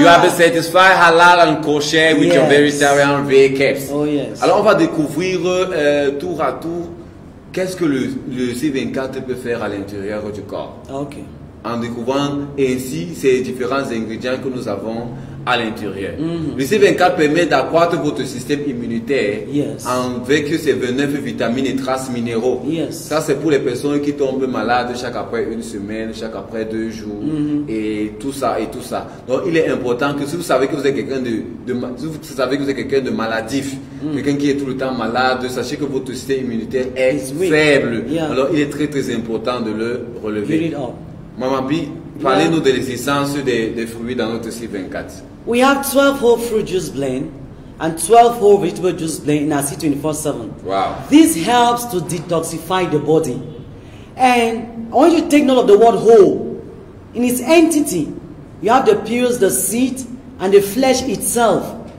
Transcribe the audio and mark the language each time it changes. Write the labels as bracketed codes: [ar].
[en] You have been certified halal and kosher with your vegetarian VKF. Oh yes. [fr] Alors on va découvrir tour à tour qu'est-ce que le C24 peut faire à l'intérieur du corps. Ok. En découvrant ainsi ces différents ingrédients que nous avons à l'intérieur. Le C24 permet d'accroître votre système immunitaire avec ses 29 vitamines et traces minéraux. Ça, c'est pour les personnes qui tombent malades chaque après une semaine, chaque après deux jours et tout ça et tout ça. Donc, il est important que si vous savez que vous êtes quelqu'un de maladif, quelqu'un qui est tout le temps malade, sachez que votre système immunitaire est faible. Alors, il est très très important de le relever. Maman B, parlez-nous de l'essence des fruits dans notre C24. [en] We have 12 whole fruit juice blend and 12 whole vegetable juice blend in our C24/7. Wow. This helps to detoxify the body. And I want you to take note of the word whole. In its entity, you have the pills, the seed, and the flesh itself.